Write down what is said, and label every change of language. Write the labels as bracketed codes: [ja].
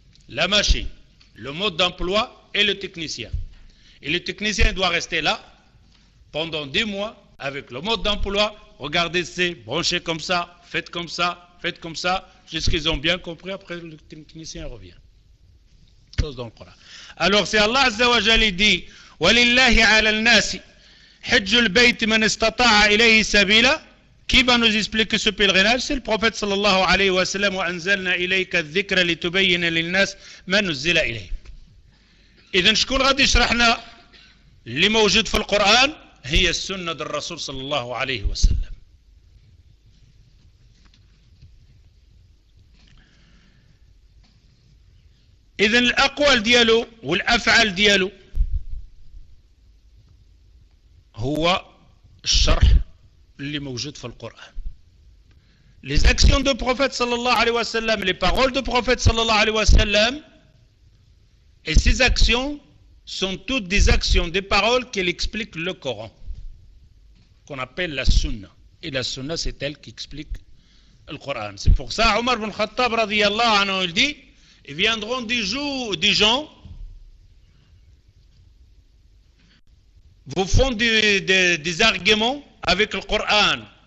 [fr] La machine, le mot d'emploi et le technicien. Et le technicien doit rester là pendant 10 mois avec le mot d'emploi. Regardez, c'est branché comme ça, faites comme ça, faites comme ça, jusqu'ils ont bien compris. Après, le technicien revient. Dans le Coran. Alors c'est Allah Azza wa Jalla dit [ar] وَلِلَّهِ عَلَى النَّاسِ حَجُّ الْبَيْتِ مَنْ اسْتَطَاعَ إِلَيْهِ سَبِيلًا. [fr] Qui va nous expliquer ce pèlerinage? C'est le prophète [ar] sallallahu alayhi wa sallam وَأَنْزَلْنَا إِلَيْكَ الذِّكْرَ لِتُبَيِّنَ لِلنَّاسِ مَنْ نُزِّلَ إِلَيْهِ. إذن شكون غادي يشرحنا اللي موجود في القرآن؟ هي السنة للرسول صلى الله عليه وسلم. إذن الأقوال ديالو والأفعال ديالو هو الشرح اللي موجود في القرآن. [fr] Les actions du prophète sallallahu alayhi wa sallam, les paroles du prophète sallallahu alayhi wa sallam, et ces actions sont toutes des actions, des paroles qu'il explique le Coran, qu'on appelle la sunna. Et la sunna, c'est elle qui explique le Coran. C'est pour ça, Omar ibn Khattab, radiyallahu anhu, il dit, ils viendront des jours, des gens, vous font des arguments avec le Coran.